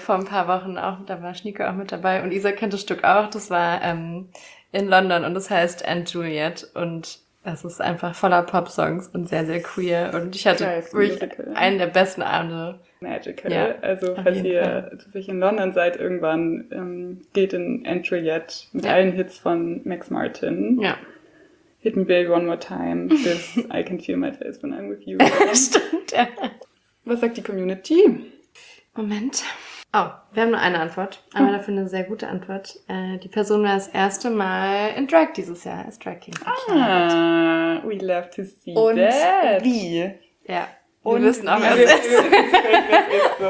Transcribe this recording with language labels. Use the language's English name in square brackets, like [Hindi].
[German] Vor ein paar Wochen auch, da war Schnieke auch mit dabei und Isa kennt das Stück auch, das war, in London und das heißt Aunt Juliet und das ist einfach voller Pop-Songs und sehr, sehr queer. Und ich hatte einen der besten Abende. [English] Magical. [German] Ja, also, falls ihr zufällig in London seid, irgendwann geht in Aunt Juliet mit allen Hits von Max Martin. Ja. [English] Hit me baby one more time, this I can feel my face when I'm with you. [German] Stimmt, ja. Was sagt die Community? Moment. Oh, wir haben nur eine Antwort. Aber dafür eine sehr gute Antwort. Die Person war das erste Mal in Drag dieses Jahr als Drag King. [English] Ah, we love to see [German] und [English] that. [German] Und wie? Ja, und wir wissen auch, wer es ist. Ist so.